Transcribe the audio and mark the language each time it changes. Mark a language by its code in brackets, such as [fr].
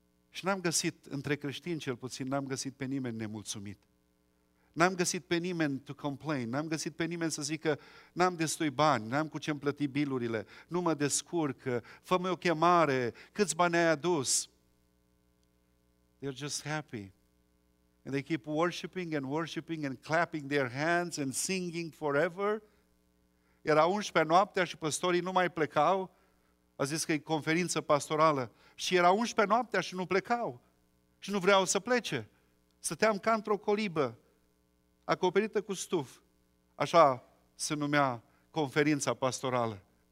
[ro] Și n-am găsit, între creștini cel puțin, n-am găsit pe nimeni nemulțumit. N-am găsit pe nimeni [en] to complain, [ro] n-am găsit pe nimeni să zică n-am destui bani, n-am cu ce-mi plăti bilurile, nu mă descurc, fă-mi o chemare, câți bani ai adus? [en] They're just happy. And they keep worshiping and clapping their hands and singing forever. [ro] Era 11 noaptea și păstorii nu mai plecau. A zis că e conferință pastorală. Și era 11 noaptea și nu plecau. Și nu vreau să plece. Stăteam ca într-o colibă, acoperită cu stuf. Așa se numea conferința pastorală.